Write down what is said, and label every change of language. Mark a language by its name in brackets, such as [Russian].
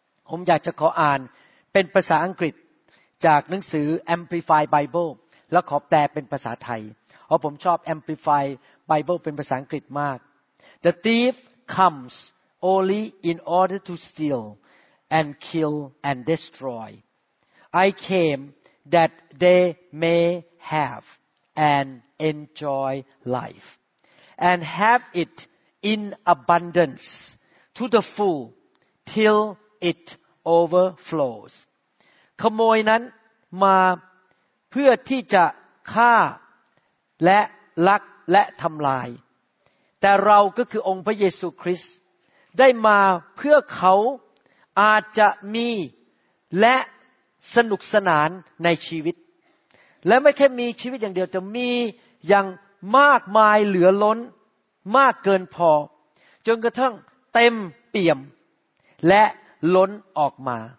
[Thai] ผมอยากจะขออ่านเป็นภาษาอังกฤษจากหนังสือ Amplified Bibleแล้วขอแปลเป็นภาษาไทยเพราะผมชอบ Amplify Bible เป็นภาษาอังกฤษมาก [English] The thief comes only in order to steal and kill and destroy. I came that they may have and enjoy life and have it in abundance to the full till it overflows. [Thai] ขโมยนั้นมาเพื่อที่จะฆ่าและลักและทำลายแต่เราก็คือองค์พระเยซูคริสต์ได้มาเพื่อเขาอาจจะมีและสนุกสนานในชีวิตและไม่แค่มีชีวิตอย่างเดียวจะมีอย่างมากมายเหลือล้นมากเกินพอจนกระทั่งเต็มเปี่ยมและล้นออกมา